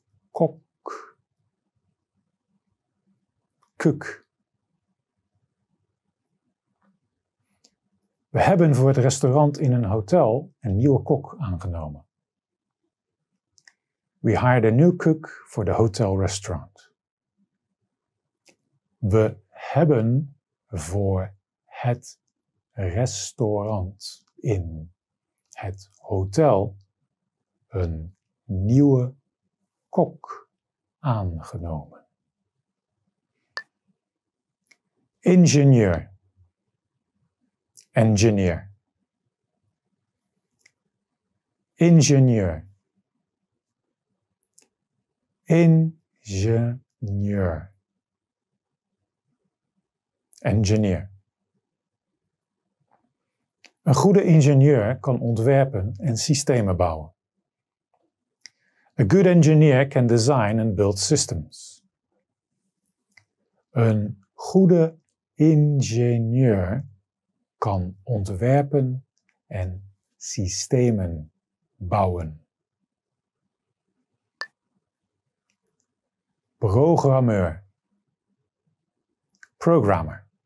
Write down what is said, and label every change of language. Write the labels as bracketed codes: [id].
[nl] Kok. [en] Cook. [nl] We hebben voor het restaurant in een hotel een nieuwe kok aangenomen. [en] We hired a new cook for the hotel restaurant. [nl] We hebben voor het restaurant in het hotel een nieuwe kok aangenomen. Ingenieur. [en] Engineer. [nl] Ingenieur. Ingenieur. [en] Engineer. [nl] Een goede ingenieur kan ontwerpen en systemen bouwen. [en] A good engineer can design and build systems. [nl] Een goede ingenieur kan ontwerpen en systemen bouwen. Programmeur. [en] Programmer.